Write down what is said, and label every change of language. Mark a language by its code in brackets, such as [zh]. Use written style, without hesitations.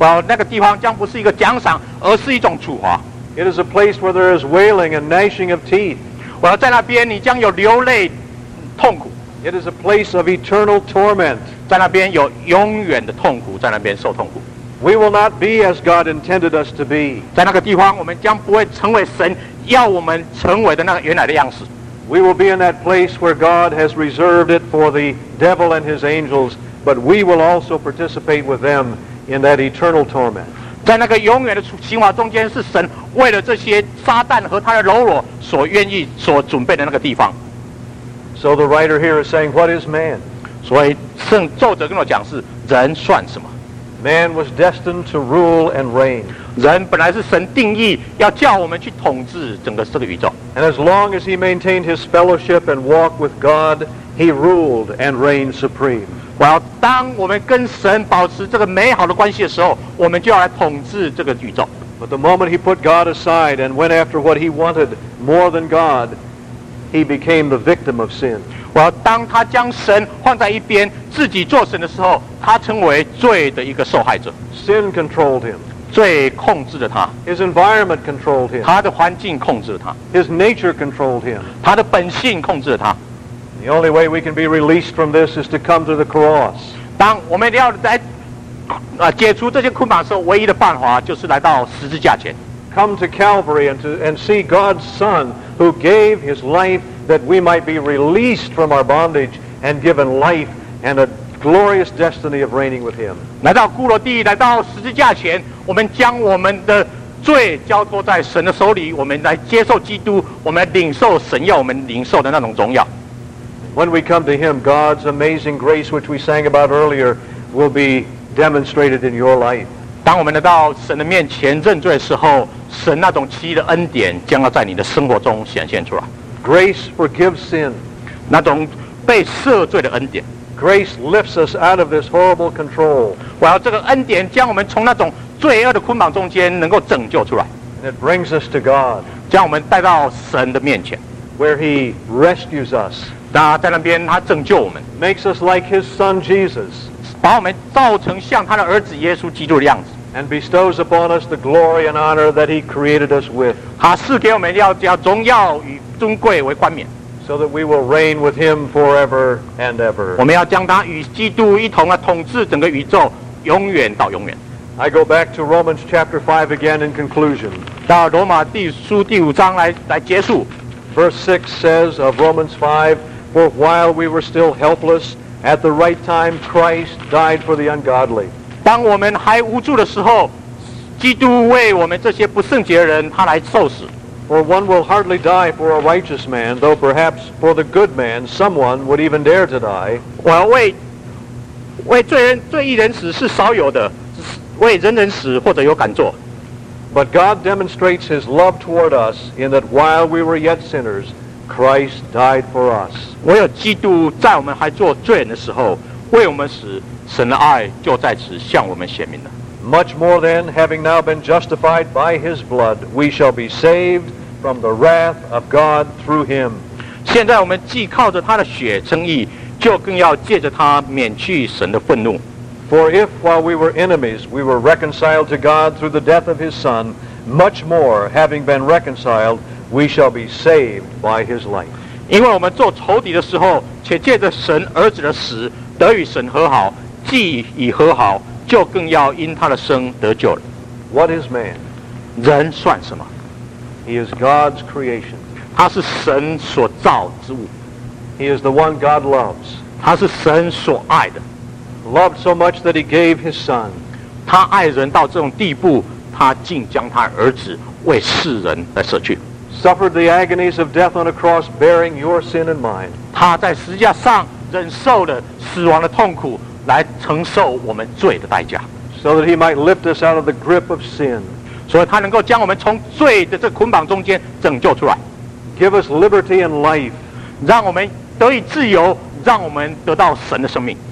[zh] 那个地方将不是一个奖赏，而是一种处罚。 [en] It is a place where there is wailing and gnashing of teeth. [zh] 在那边你将有流泪痛苦。 [en] It is a place of eternal torment. [zh] 在那边有永远的痛苦，在那边受痛苦。 [en] We will not be as God intended us to be. [zh] 在那个地方，我们将不会成为神要我们成为的那个原来的样式。 [en] We will be in that place where God has reserved it for the devil and his angels, but we will also participate with them in that eternal torment. [zh] 在那个永远的刑罚中间，是神为了这些撒旦和他的喽啰所愿意所准备的那个地方。 [en] So the writer here is saying, what is man? [zh] 所以作者跟我讲是人算什么？ [en] Man was destined to rule and reign. [zh] 人本来是神定义要叫我们去统治整个这个宇宙。 [en] And as long as he maintained his fellowship and walk with God, he ruled and reigned supreme. [zh] 当我们跟神保持这个美好的关系的时候，我们就要来统治这个宇宙。 [en] But the moment he put God aside and went after what he wanted more than God, he became the victim of sin. [zh] 当他将神放在一边，自己做神的时候，他成为罪的一个受害者。 [en] Sin controlled him. [zh] 罪控制着他。 [en] His environment controlled him. [zh] 他的环境控制着他。 [en] His nature controlled him. [zh] 他的本性控制着他。 [en] The only way we can be released from this is to come to the cross. [zh] 当我们要来解除这些捆绑的时候，唯一的办法就是来到十字架前。 [en] Come to Calvary and see God's Son who gave his life that we might be released from our bondage and given life and a glorious destiny of reigning with him. [zh] 来到骷髅地，来到十字架前，我们将我们的罪交托在神的手里，我们来接受基督，我们来领受神要我们领受的那种荣耀。 [en] When we come to him, God's amazing grace, which we sang about earlier, will be demonstrated in your life. [zh] 当我们来到神的面前认罪的时候，神那种奇异的恩典将要在你的生活中显现出来。 [en] Grace forgives sin. [zh] 那种被赦罪的恩典。 [en] Grace lifts us out of this horrible control. [zh] 这个恩典将我们从那种罪恶的捆绑中间能够拯救出来。 [en] And it brings us to God. [zh] 将我们带到神的面前。 [en] Where he rescues us. [zh] 在那边他拯救我们。 [en] Makes us like his son Jesus. [zh] 把我们造成像他的儿子耶稣基督的样子。 [en] And bestows upon us the glory and honor that he created us with. [zh] 他赐给我们要荣耀与尊贵为冠冕。 [en] So that we will reign with him forever and ever. [zh] 我们要将他与基督一同啊统治整个宇宙，永远到永远。 [en] I go back to Romans chapter 5 again in conclusion. [zh] 到罗马第书第五章来结束。 [en] Verse 6 says of Romans 5, For while we were still helpless, at the right time Christ died for the ungodly. [zh] 当我们还无助的时候，基督为我们这些不圣洁人他来受死。 [en] For one will hardly die for a righteous man, though perhaps for the good man, someone would even dare to die. [zh] 我要为罪人罪一人死是少有的，为人人死或者有敢做。 [en] But God demonstrates His love toward us in that while we were yet sinners, Christ died for us. [zh] 唯有基督在我们还做罪人的时候为我们死，神的爱就在此向我们显明了。 [en] Much more then, having now been justified by His blood, we shall be saved from the wrath of God through Him. [zh] 现在我们既靠着他的血称义，就更要借着他免去神的愤怒。 [en] For if while we were enemies, we were reconciled to God through the death of His Son, much more, having been reconciled, we shall be saved by His life. [zh] 因为我们做仇敌的时候，且借着神儿子的死得与神和好，既已和好，就更要因他的生得救了。 [en] What is man? [zh] 人算什么？ [en] He is God's creation. [zh] 他是神所造之物。 [en] He is the one God loves. [zh] 他是神所爱的。 [en] Loved so much that he gave his son. [zh] 他爱人到这种地步，他竟将他儿子为世人来舍去。 [en] Suffered the agonies of death on a cross, bearing your sin and mine. [zh] 他在十字架上忍受了死亡的痛苦，来承受我们罪的代价。 [en] So that he might lift us out of the grip of sin. [zh] 所以他能够将我们从罪的这捆绑中间拯救出来。 [en] Give us liberty and life. [zh] 让我们得以自由，让我们得到神的生命。